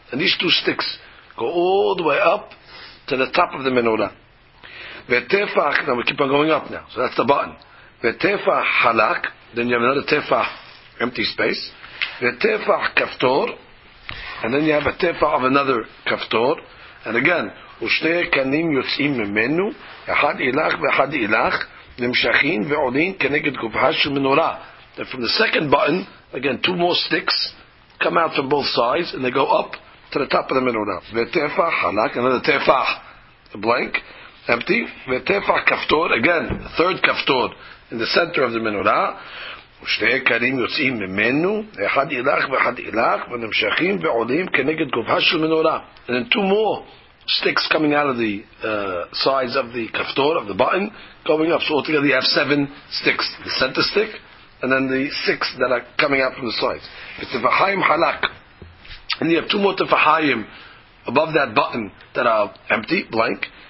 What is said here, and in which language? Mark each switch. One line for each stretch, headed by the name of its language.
English: And these 2 sticks go all the way up to the top of the menorah. Ve'tefach, now we keep on going up now, so that's the button. Ve'tefach halak, then you have another tefach, empty space. Ve'tefach kaftor, and then you have a tefach of another kaftor. And again,
Hebrew: ושני קנים יוצאים ממנו, אחד אילך ואחד אילך, נמשכים ועולים כנגד גופה של מנורה.
English: And from the second button, again, 2 more sticks come out from both sides, and they go up to the top of the menorah.
Hebrew: ותפח, חלק,
English: another תפח, blank, empty. ותפח, כפתור, again, third כפתור, in the center of the menorah.
Hebrew: ושני קנים יוצאים ממנו, אחד אילך ואחד אילך, ונמשכים ועולים כנגד גופה של מנורה.
English: And then 2 more sticks coming out of the sides of the kaftor, of the button, going up. So altogether you have 7 sticks. The center stick, and then the 6 that are coming out from the sides. It's the tefachayim halak. And you have 2 more tefachayim above that button that are empty, blank.